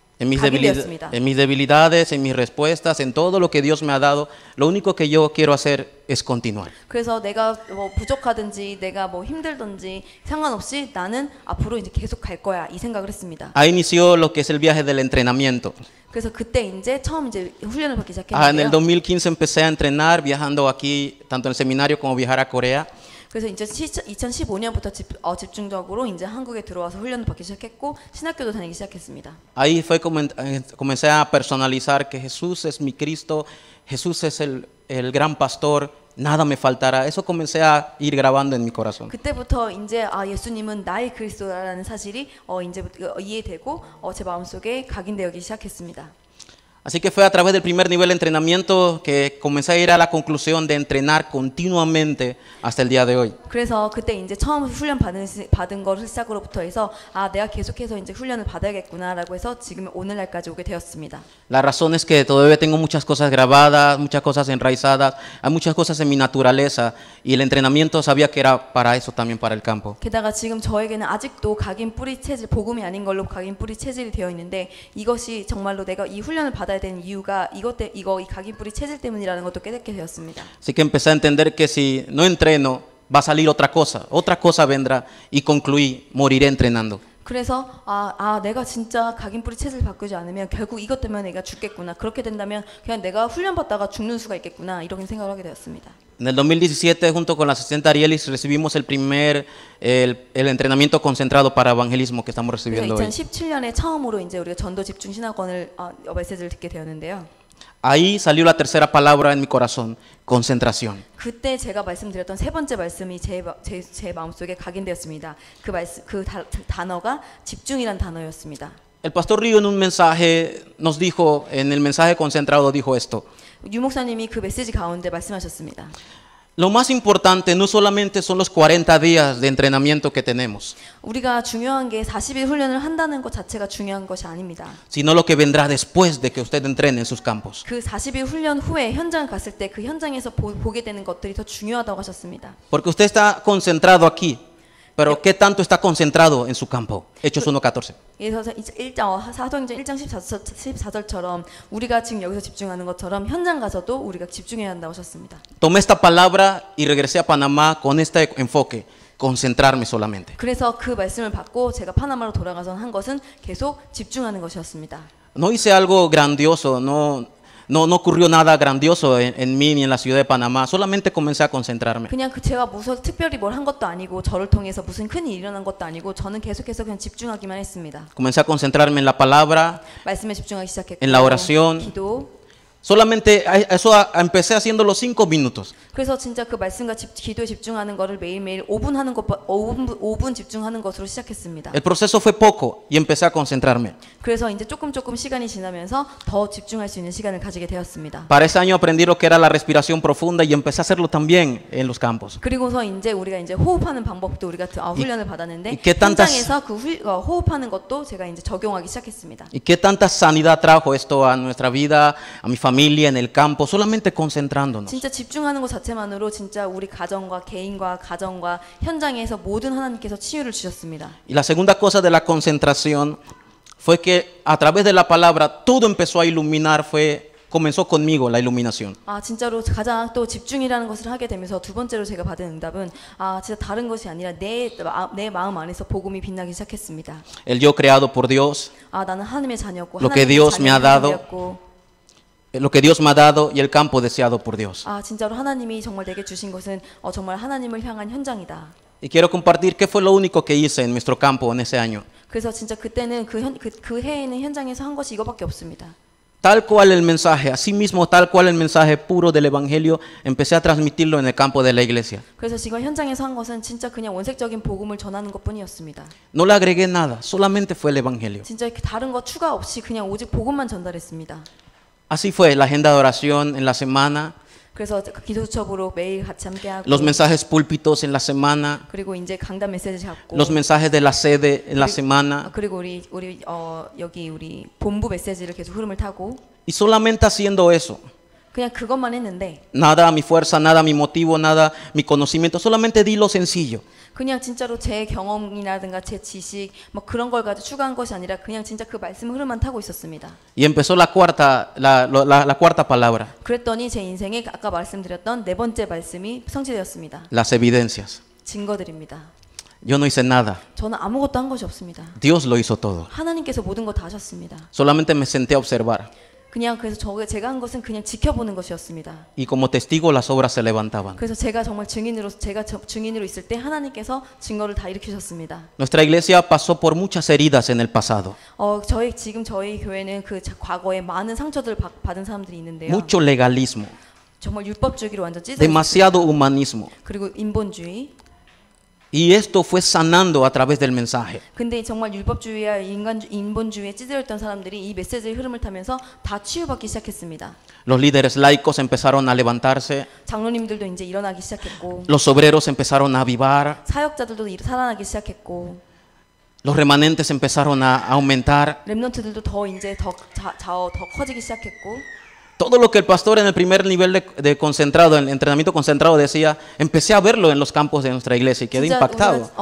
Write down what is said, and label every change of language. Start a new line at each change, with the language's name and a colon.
Spanish: En mis debilidades, en mis respuestas, en todo lo que Dios me ha dado, lo único que yo quiero hacer es continuar.
Korean: 그래서 내가 뭐 부족하든지 내가 뭐 힘들든지 상관없이 나는 앞으로 이제 계속 갈 거야 이 생각을 했습니다.
Spanish: Ahí inició lo que es el viaje del entrenamiento.
Korean: 그래서 그때 이제 처음 이제 훈련을 받기 시작했는데요.
Spanish: En el 2015 empecé a entrenar viajando aquí tanto en el seminario como viajar a Corea.
Korean: 그래서 이제 2015년부터 집중적으로 이제 한국에 들어와서 훈련을 받기 시작했고 신학교도 다니기 시작했습니다.
Spanish: Ahí fue comencé a personalizar que Jesús es mi Cristo, Jesús es el gran pastor, nada me faltará. Eso comencé a ir grabando en mi corazón.
Korean: 그때부터 이제 예수님은 나의 그리스도라는 사실이 이제 이해되고 제 마음속에 각인되기 시작했습니다.
Spanish: Así que fue a través del primer nivel de entrenamiento que comencé a ir a la conclusión de entrenar continuamente hasta el día de hoy.
Korean: 그래서 그때 이제 처음 훈련 받은 것을 시작으로부터 해서 아 내가 계속해서 이제 훈련을 받아야겠구나라고 해서 지금 오늘날까지 오게 되었습니다.
Spanish: La razón es que todavía tengo muchas cosas grabadas, muchas cosas enraizadas, hay muchas cosas en mi naturaleza y el entrenamiento sabía que era para eso también para el campo.
Korean: 게다가 지금 저에게는 아직도 각인 뿌리 체질 복음이 아닌 걸로 각인 뿌리 체질이 되어 있는데 이것이 정말로 내가 이 훈련을 받아야 되는 이유가 이 각인 뿌리 체질 때문이라는 것도 깨닫게 되었습니다.
Spanish: Así que empecé a entender que si no entreno va a salir otra cosa vendrá y concluí moriré entrenando.
Korean: 그래서 아 내가 진짜 각인 뿌리 체질 바꾸지 않으면 결국 이것 때문에 내가 죽겠구나. 그렇게 된다면 그냥 내가 훈련 받다가 죽는 수가 있겠구나. 이렇게 생각을 하게 되었습니다.
Spanish: En el 2017 junto con la asistente Arielis recibimos el primer entrenamiento concentrado para evangelismo que estamos recibiendo hoy.
Korean: 2017년에 처음으로 이제 우리가 전도 집중 신학원을 메시지를 듣게 되었는데요.
Spanish: Ahí salió la tercera palabra en mi corazón, concentración.
Korean: 그때 제가 말씀드렸던 세 번째 말씀이 제 마음속에 각인되었습니다. 그 단어가 집중이란 단어였습니다.
Spanish: El pastor Río en un mensaje nos dijo en el mensaje concentrado dijo esto.
Korean: 유 목사님이 그 메시지 가운데 말씀하셨습니다.
Spanish: Lo más importante no solamente son los 40 días de entrenamiento que tenemos.
Korean: 우리가 중요한 게 40일 훈련을 한다는 것 자체가 중요한 것이 아닙니다.
Spanish: Sino lo que vendrá después de que usted entrene en sus campos.
Korean: 그 40일 훈련 후에 현장 갔을 때 그 현장에서 보게 되는 것들이 더 중요하다고 하셨습니다.
Spanish: Porque usted está concentrado aquí. Pero qué tanto está concentrado en su campo. Hechos 1:14.
Korean: 1장 14절처럼 우리가 지금 여기서 집중하는 것처럼 현장 가서도 우리가 집중해야 한다고 하셨습니다.
Spanish: Tomé esta palabra y regresé a Panamá con este enfoque, concentrarme solamente.
Korean: 그래서 그 말씀을 받고 제가 파나마로 돌아가서 한 것은 계속 집중하는 것이었습니다.
Spanish: No hice algo grandioso, no ocurrió nada grandioso en mí ni en la ciudad de Panamá. Solamente comencé a concentrarme.
Korean: 그냥 그 제가 무슨 특별히 뭘 한 것도 아니고 저를 통해서 무슨 큰 일이 일어난 것도 아니고 저는 계속해서 그냥 집중하기만 했습니다.
Spanish: Comencé a concentrarme en la palabra.
Korean: 말씀에 집중하기 시작했고.
Spanish: En la oración.
Korean: 기도.
Spanish: Solamente eso empecé haciendo los 5 minutos.
Korean: 그래서 진짜 그 말씀과 기도에 집중하는 거를 매일매일 5분 집중하는 것으로 시작했습니다.
Spanish: El proceso fue poco y empecé a concentrarme.
Korean: 그래서 이제 조금 시간이 지나면서 더 집중할 수 있는 시간을 가지게 되었습니다.
Spanish: Para ese año aprendí lo que era la respiración profunda y empecé a hacerlo también en los campos.
Korean: 그리고서 이제 우리가 이제 호흡하는 방법도 우리가 훈련을 받았는데 현장에서 그 호흡하는 것도 제가 이제 적용하기 시작했습니다.
Spanish: ¿Y qué tanta sanidad trajo esto a nuestra vida, a mi familia en el campo solamente concentrándonos?
Korean: 진짜 집중하는 것 자체만으로 진짜 우리 가정과 개인과 가정과 현장에서 모든 하나님께서 치유를 주셨습니다.
Spanish: Y la segunda cosa de la concentración fue que a través de la palabra todo empezó a iluminar comenzó conmigo la iluminación.
Korean: 아 진짜로 가장 또 집중이라는 것을 하게 되면서 두 번째로 제가 받은 응답은 아 진짜 다른 것이 아니라 내 마음 안에서 복음이 빛나기 시작했습니다.
Spanish: El yo creado por Dios.
Korean: 아 나는 하나님의 자녀였고
Spanish: lo que Dios me ha dado. Lo que Dios me ha dado y el campo deseado por Dios.
Korean: 아 진짜로 하나님이 정말 내게 주신 것은 정말 하나님을 향한 현장이다.
Spanish: Y quiero compartir qué fue lo único que hice en nuestro campo en ese año.
Korean: 그래서 진짜 그때는 그 해에는 현장에서 한 것이 이거밖에 없습니다.
Spanish: tal cual el mensaje, así mismo tal cual el mensaje puro del evangelio, empecé a transmitirlo en el campo de la iglesia.
Korean: 그래서 지금 현장에서 한 것은 진짜 그냥 원색적인 복음을 전하는 것뿐이었습니다.
Spanish: No le agregué nada, solamente fue el evangelio.
Korean: 진짜 다른 거 추가 없이 그냥 오직 복음만 전달했습니다.
Spanish: Así fue la agenda de oración en la semana.
Korean: 그래서 기도수첩으로 매일 같이 함께하고
Spanish: Los mensajes púlpitos en la semana.
Korean: 그리고 이제 강단 메시지 잡고
Spanish: Los mensajes de la sede en la semana.
Korean: 그리고 우리 여기 우리 본부 메시지를 계속 흐름을 타고
Spanish: Y solamente haciendo eso.
Korean: 그냥 그것만 했는데
Spanish: Nada a mi fuerza, nada a mi motivo, nada a mi conocimiento, solamente di lo sencillo.
Korean: 그냥 진짜로 제 경험이라든가 제 지식 뭐 그런 걸 가지고 추가한 것이 아니라 그냥 진짜 그 말씀 흐름만 타고 있었습니다.
Spanish: Y empezó la cuarta la cuarta palabra.
Korean: 그랬더니 제 인생에 아까 말씀드렸던 네 번째 말씀이 성취되었습니다.
Spanish: Las evidencias.
Korean: 증거들입니다.
Spanish: Yo no hice nada.
Korean: 저는 아무것도 한 것이 없습니다.
Spanish: Dios lo hizo todo.
Korean: 하나님께서 모든 거 다 하셨습니다.
Spanish: Solamente me senté a observar.
Korean: 그냥 그래서 제가 한 것은 그냥 지켜보는 것이었습니다.
Spanish: Y como testigo las obras se levantaban.
Korean: 그래서 제가 정말 증인으로 있을 때 하나님께서 증거를 다 일으키셨습니다.
Spanish: Nuestra iglesia pasó por muchas heridas en el pasado.
Korean: 저희 교회는 그 과거에 많은 상처들을 받은 사람들이 있는데요.
Spanish: Mucho legalismo.
Korean: 정말 율법주의로 완전 찢어.
Spanish: Demasiado humanismo.
Korean: 그리고 인본주의.
Spanish: Y esto fue sanando a través del mensaje.
Korean: 근데 정말 율법주의와 인본주의에 찌들었던 사람들이 이 메시지의 흐름을 타면서 다 치유받기 시작했습니다.
Spanish: Los líderes laicos empezaron a levantarse.
Korean: 장로님들도 이제 일어나기 시작했고.
Spanish: Los obreros empezaron a avivar.
Korean: 사역자들도 살아나기 시작했고.
Spanish: Los remanentes empezaron a aumentar.
Korean: 렘넌트들도 더 이제 더 커지기 시작했고.
Spanish: Todo lo que el pastor en el primer nivel de concentrado, en entrenamiento concentrado decía, empecé a verlo en los campos de nuestra iglesia y quedé impactado.